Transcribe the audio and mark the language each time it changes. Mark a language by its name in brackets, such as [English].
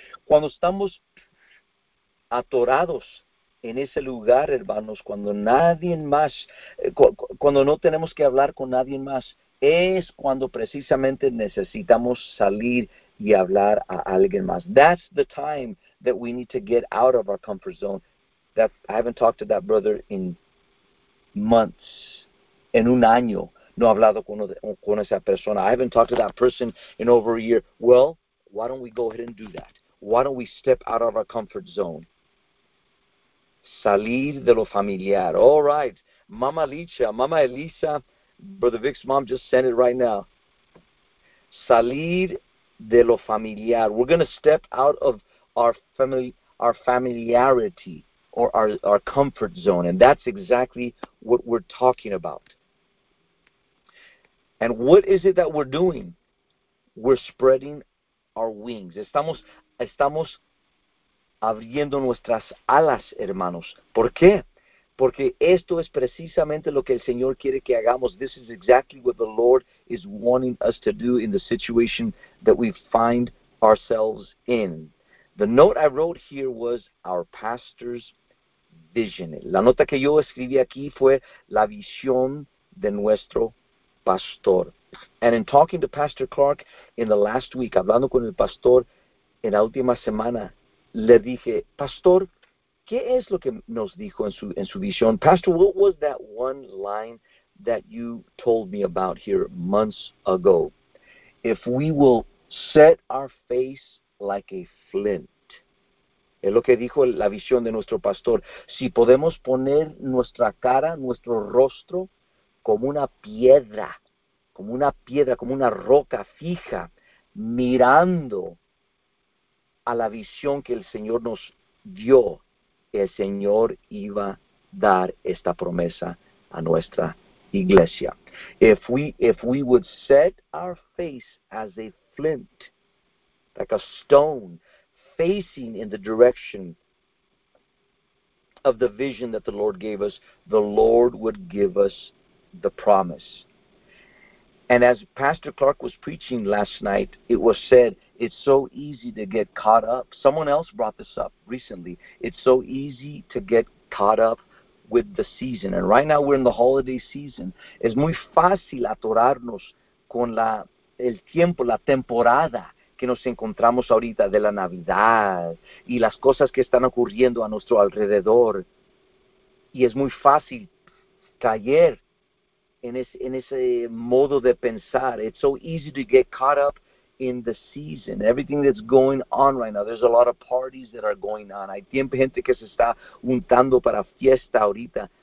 [Spanish] Cuando estamos atorados en ese lugar, hermanos, cuando nadie más, cuando no tenemos que hablar con nadie más, es cuando precisamente necesitamos salir y hablar a alguien más. [English] That's the time that we need to get out of our comfort zone. That I haven't talked to that brother in months, [Spanish] en un año. No he hablado con esa persona. [English] I haven't talked to that person in over a year. Well, why don't we go ahead and do that? Why don't we step out of our comfort zone? [Spanish] Salir de lo familiar. [English] All right. Mama Licha, Mama Elisa, Brother Vic's mom just sent it right now. [Spanish] Salir de lo familiar. [English] We're going to step out of our familiarity or our comfort zone. And that's exactly what we're talking about. And what is it that we're doing? We're spreading our wings. [Spanish] Estamos abriendo nuestras alas, hermanos. ¿Por qué? Porque esto es precisamente lo que el Señor quiere que hagamos. [English] This is exactly what the Lord is wanting us to do in the situation that we find ourselves in. The note I wrote here was our pastor's vision. [Spanish] La nota que yo escribí aquí fue la visión de nuestro pastor. [English] And in talking to Pastor Clark in the last week, [Spanish] hablando con el pastor en la última semana, le dije, Pastor, ¿qué es lo que nos dijo en su visión? [English] Pastor, what was that one line that you told me about here months ago? If we will set our face like a flint. [Spanish] Es lo que dijo la visión de nuestro pastor. Si podemos poner nuestra cara, nuestro rostro, como una piedra, como una roca fija, mirando a la visión que el Señor nos dio, el Señor iba a dar esta promesa a nuestra iglesia. [English] If we would set our face as a flint, like a stone, facing in the direction of the vision that the Lord gave us, the Lord would give us the promise. And as Pastor Clark was preaching last night, it was said, it's so easy to get caught up. Someone else brought this up recently. It's so easy to get caught up with the season. And right now we're in the holiday season. [Spanish] Es muy fácil atorarnos con el tiempo, la temporada que nos encontramos ahorita de la Navidad y las cosas que están ocurriendo a nuestro alrededor. Y es muy fácil caer en ese modo de pensar. [English] It's so easy to get caught up in the season. Everything that's going on right now. There's a lot of parties that are going on. [Spanish] Hay tiempo, gente que se está untando para fiesta ahorita.